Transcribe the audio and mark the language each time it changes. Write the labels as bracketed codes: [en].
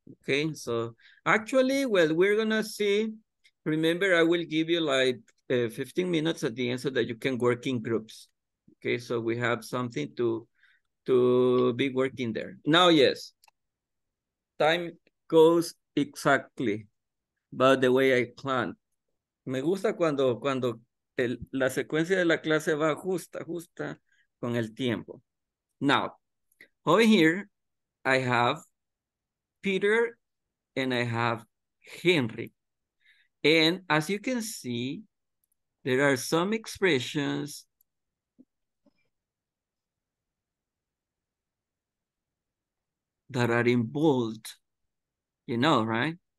[en] Okay, so actually, well, we're gonna see. Remember, I will give you like 15 minutes at the end so that you can work in groups. Okay, so we have something to be working there. Now, yes, time goes exactly by the way I planned. [es] Me gusta cuando la secuencia de la clase va justa con el tiempo. [en] Now, over here, I have Peter and I have Henry. And as you can see, there are some expressions that are in bold, you know, right?